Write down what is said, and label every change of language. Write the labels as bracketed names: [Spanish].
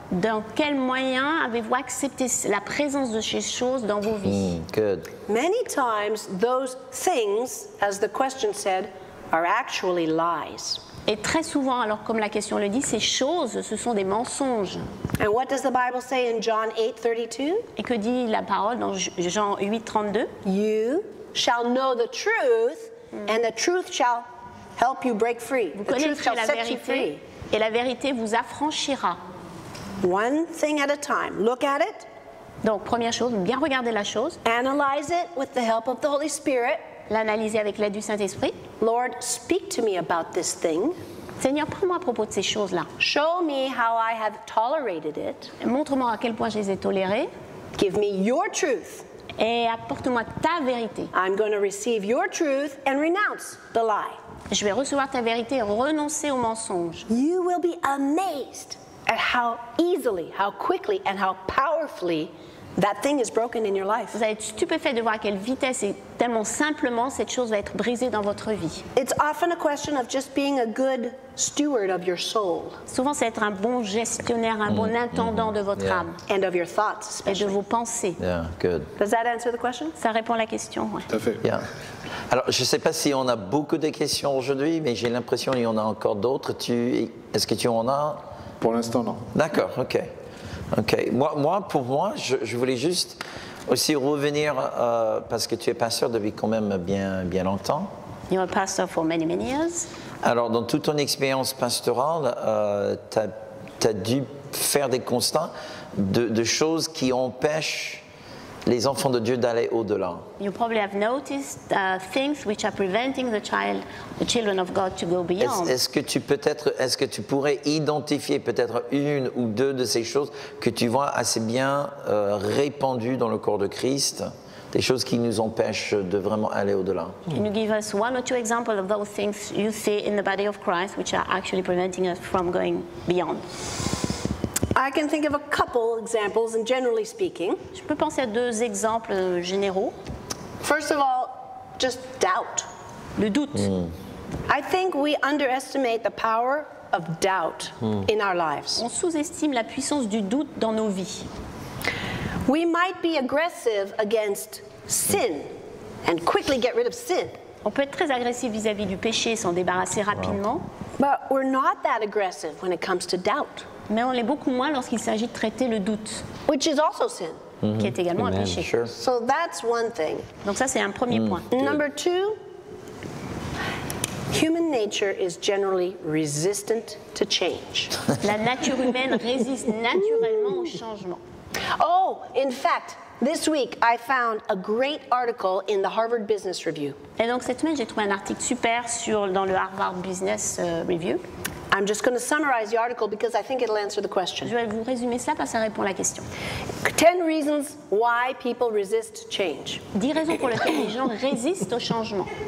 [French] Dans quel moyen avez-vous accepté la présence de ces choses dans vos vies? [English] Good. Many times those things, as the question said, are actually lies. [French] Et très souvent, alors comme la question le dit, ces choses, ce sont des mensonges. [English] And what does the Bible say in John 8:32? [French] Et que dit la parole dans Jean 8:32? [English] You shall know the truth, and the truth shall help you break free. [French] Vous connaîtrez la vérité, et la vérité vous affranchira. [English] One thing at a time. Look at it. [French] Donc, première chose, bien regarder la chose. [English] Analyze it with the help of the Holy Spirit. [French] L'analyser avec l'aide du Saint-Esprit. [English] Lord, speak to me about this thing. [French] Seigneur, parle-moi à propos de ces choses-là. [English] Show me how I have tolerated it. [French] Montre-moi à quel point je les ai tolérées. [English] Give me your truth. [French] Et apporte-moi ta vérité. [English] I'm going to receive your truth and renounce the lie. [French] Je vais recevoir ta vérité et renoncer au mensonge. [English] You will be amazed at how easily, how quickly, and how powerfully that thing is broken in your life. [French] Vous allez être stupéfait de voir à quelle vitesse et tellement simplement cette chose va être brisée dans votre vie. [English] It's often a question of just being a good steward of your soul. [French] Souvent, c'est être un bon gestionnaire, un bon intendant de votre âme. [English] And of your thoughts, especially. [French] Et de vos pensées. [English] Yeah, good. Does that answer the question? [French] Ça répond à la question, oui. Tout à fait. [English] Yeah. [French] Alors, je ne sais pas si on a beaucoup de questions aujourd'hui, mais j'ai l'impression qu'il y en a encore d'autres. Est-ce que tu en as? Pour l'instant, non. D'accord, ok. Okay. Moi, je voulais juste aussi revenir, parce que tu es pasteur depuis quand même bien, bien longtemps. [English] You are a pastor for many, many years. [French] Alors, dans toute ton expérience pastorale, t'as dû faire des constats de choses qui empêchent les enfants de Dieu d'aller au-delà. [English] You probably have noticed things which are preventing the children of God to go beyond. [French] Est-ce que tu pourrais identifier peut-être une ou deux de ces choses que tu vois assez bien répandues dans le corps de Christ, des choses qui nous empêchent de vraiment aller au-delà? [English] Can you give us one or two examples of those things you see in the body of Christ which are actually preventing us from going beyond? I can think of a couple examples, and generally speaking. [French] Je peux penser à deux exemples généraux. [English] First of all, just doubt. [French] Le doute. Mm. [English] I think we underestimate the power of doubt in our lives. [French] On sous-estime la puissance du doute dans nos vies. [English] We might be aggressive against sin and quickly get rid of sin. [French] On peut être très agressif vis-à-vis du péché et s'en débarrasser rapidement. [English] But we're not that aggressive when it comes to doubt. [French] Mais on l'est beaucoup moins lorsqu'il s'agit de traiter le doute, [English] which is also sin, [French] qui est également un péché. [English] Sure. So that's one thing. [French] Donc ça, c'est un premier point. [English] Number two, human nature is generally resistant to change. [French] La nature humaine résiste naturellement au changement. [English] Oh, in fact, this week I found a great article in the Harvard Business Review. [French] Et donc cette semaine, j'ai trouvé un article super dans le Harvard Business Review. [English] I'm just going to summarize the article because I think it'll answer the question. [French] Je vais vous résumer ça parce que ça répond à la question. [English] 10 reasons why people resist change. [French] 10 raisons pour lesquelles les gens résistent au changement.